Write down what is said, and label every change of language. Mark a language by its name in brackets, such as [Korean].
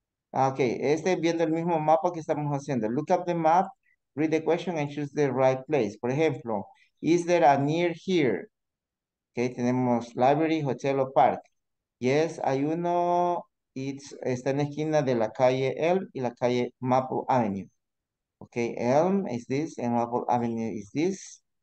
[Spanish] Okay, este viendo el mismo mapa que estamos haciendo. [English] Look up the map, read the question, and choose the right place. [Spanish] Por ejemplo, [English] is there a near here? Okay, [Spanish] tenemos [English] library, hotel o park. [Spanish] Yes, hay uno. Está en la esquina de la calle Elm y la calle Maple Avenue. [English] Okay, Elm is this and Maple Avenue is this.